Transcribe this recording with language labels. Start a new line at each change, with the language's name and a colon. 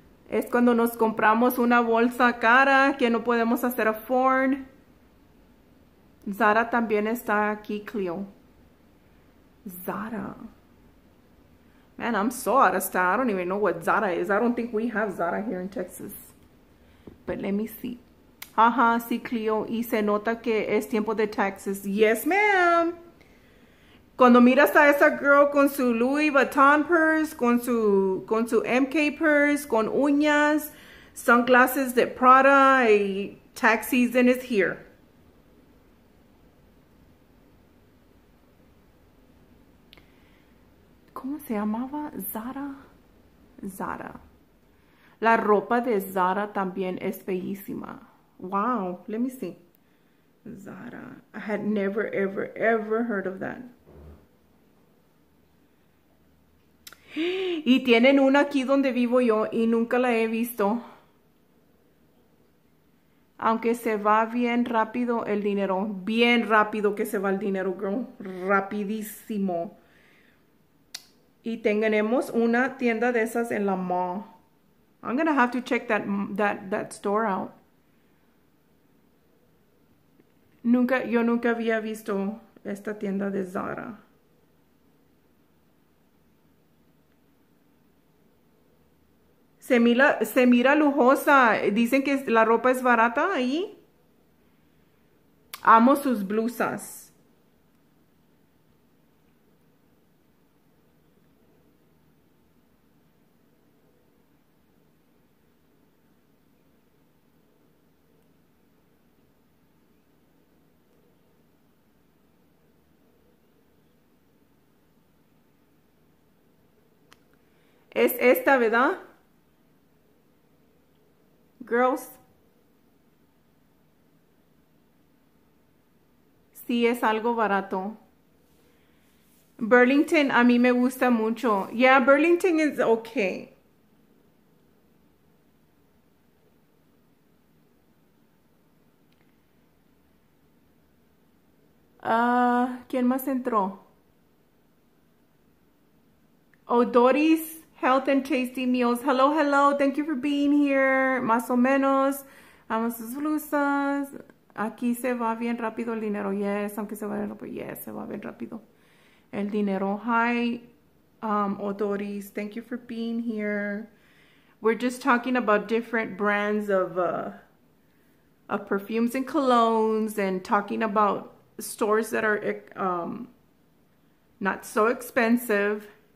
Spanish: Es cuando nos compramos una bolsa cara que no podemos hacer afford. Zara también está aquí, Cleo.
English: Zara. Man, I'm so out of style. I don't even know what Zara is. I don't think we have Zara here in Texas. But let me see.
Spanish: Ajá, sí,
English: Cleo.
Spanish: Y se nota que es tiempo de taxes.
English: Yes, ma'am.
Spanish: Cuando miras a esa girl con su Louis Vuitton purse, con su MK purse, con uñas, sunglasses de Prada, y
English: tax season is here.
Spanish: ¿Cómo se llamaba? Zara. Zara. La ropa de Zara también es bellísima.
English: Wow, let me see. Zara. I had never, ever, ever heard of that.
Spanish: Y tienen una aquí donde vivo yo y nunca la he visto. Aunque se va bien rápido el dinero. Bien rápido que se va el dinero, girl. Rapidísimo. Y tenemos una tienda de esas en la mall.
English: I'm gonna have to check that store out.
Spanish: Yo nunca había visto esta tienda de Zara. Se mira lujosa. Dicen que la ropa es barata ahí. Amo sus blusas. Es esta, ¿verdad?
English: Girls.
Spanish: Sí, es algo barato. Burlington, a mí me gusta mucho.
English: Yeah, Burlington is okay.
Spanish: ¿Quién más entró?
English: Oh, Doris. Health and Tasty Meals. Hello, hello. Thank you for being here.
Spanish: Más o menos. Amo sus blusas. Aquí se va bien rápido el dinero. Yes, aunque se va bien rápido. Yes, se va bien rápido el dinero.
English: Hi, Odoris. Thank you for being here. We're just talking about different brands of perfumes and colognes and talking about stores that are not so expensive.